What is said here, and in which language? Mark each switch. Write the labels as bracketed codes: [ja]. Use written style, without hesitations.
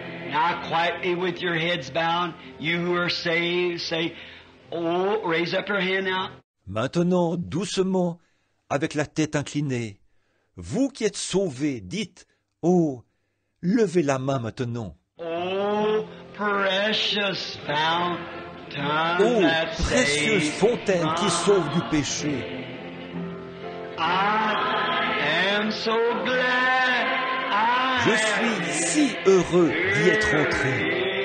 [en] Now quietly with your heads bound, you who are saved, say, oh, raise up your hand now. [fr] Maintenant, doucement, avec la tête inclinée, vous qui êtes sauvés, dites, oh, levez la main maintenant. [en] Oh, precious fountain that saves. [fr] Oh, précieuse fontaine qui sauve du péché. [en] I am so glad I [fr] Je suis si heureux d'y être entré.